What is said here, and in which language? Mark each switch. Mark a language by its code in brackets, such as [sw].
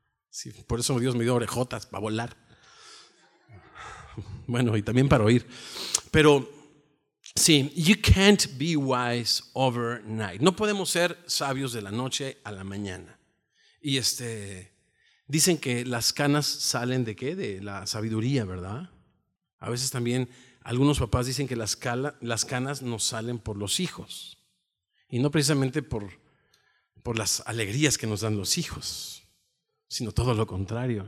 [es] Sí, por eso Dios me dio orejotas, para volar. Bueno, y también para oír. Pero, sí, [en] you can't be wise overnight. [es] No podemos ser sabios de la noche a la mañana. Y dicen que las canas salen de qué? De la sabiduría, ¿verdad? A veces también algunos papás dicen que las canas nos salen por los hijos. Y no precisamente por las alegrías que nos dan los hijos, sino todo lo contrario.